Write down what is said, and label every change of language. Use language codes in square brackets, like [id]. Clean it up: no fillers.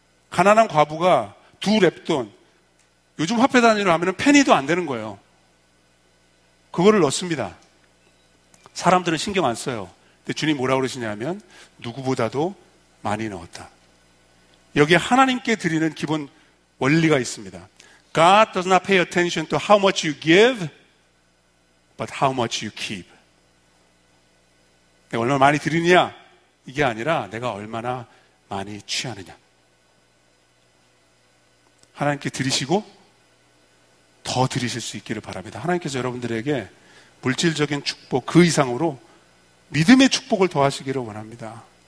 [ko] 가난한 과부가 두 랩돈, 요즘 화폐 단위로 하면 페니도 안 되는 거예요. 그거를 넣습니다. 사람들은 신경 안 써요. 근데 주님 뭐라고 그러시냐면 누구보다도 많이 넣었다. 여기에 하나님께 드리는 기본 원리가 있습니다. [en] God does not pay attention to how much you give, but how much you keep. [ko] 내가 얼마나 많이 드리느냐 이게 아니라 내가 얼마나 많이 취하느냐. 하나님께 드리시고 더 드리실 수 있기를 바랍니다. 하나님께서 여러분들에게 물질적인 축복 그 이상으로 믿음의 축복을 더하시기를 원합니다.